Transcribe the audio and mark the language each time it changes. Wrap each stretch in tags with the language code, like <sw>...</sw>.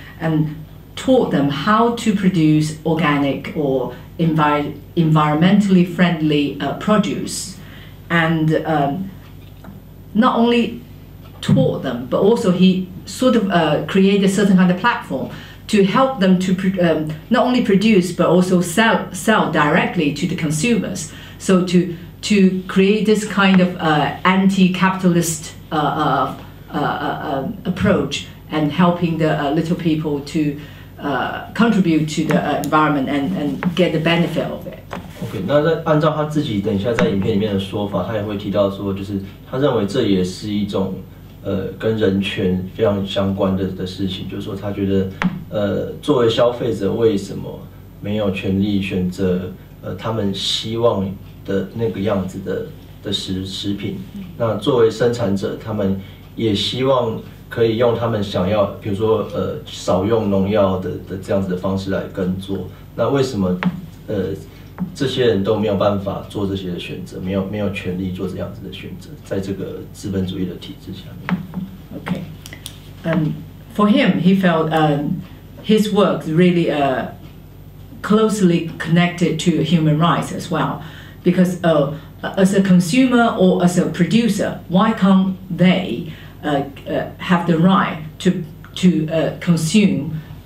<en>and taught them how to produce organic or environmentally friendly produce, and not only taught them, but also he sort of created a certain kind of platform to help them to not only produce but also sell directly to the consumers. So to create this kind of anti-capitalist approach and helping the little people to contribute to the environment and get the benefit of it.</en> <zh>Okay, 那按照他自己等一下在影片里面的说法，他也会提到说，就是他认为这也是一种跟人权非常相关的事情，就是说他觉得作为消费者为什么没有权利选择他们希望的那个样子的食品，那作为生产者他们也希望可以用他们想要比如说少用农药的这样子的方式来耕作，那为什么这些人都没有办法做这些的选择，没有权利做这样子的选择，在这个资本主义的体制下面。</zh> <en>Okay, for him, he felt his work really closely connected to human rights as well, because as a consumer or as a producer, why can't they have the right to consume</en>